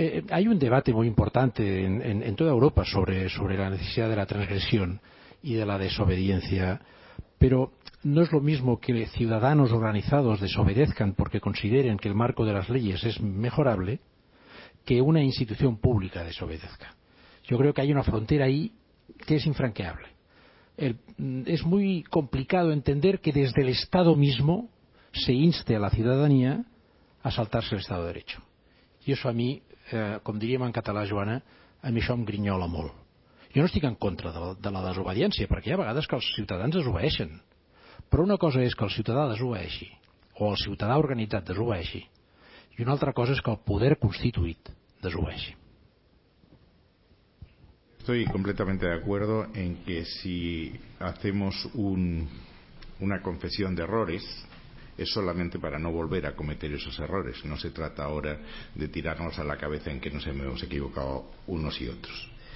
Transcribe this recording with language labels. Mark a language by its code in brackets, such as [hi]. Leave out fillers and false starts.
[es] Hay un debate muy importante en toda Europa sobre la necesidad de la transgresión y de la desobediencia, pero no es lo mismo que ciudadanos organizados desobedezcan porque consideren que el marco de las leyes es mejorable que una institución pública desobedezca. Yo creo que hay una frontera ahí que es infranqueable. Es muy complicado entender que desde el Estado mismo se inste a la ciudadanía a saltarse el Estado de Derecho. Y eso a mí, [ca] com diríem en català, Joana, a mi això em grinyola molt. Jo no estic en contra de la desobediència, perquè hi ha vegades que els ciutadans desobeeixen. Però una cosa és que el ciutadà desobeeixi, o el ciutadà organitzat desobeeixi, i una altra cosa és que el poder constituït desobeeixi. [es] Estoy completamente de acuerdo en que si hacemos una confesión de errores, es solamente para no volver a cometer esos errores. No se trata ahora de tirarnos a la cabeza en que nos hemos equivocado unos y otros.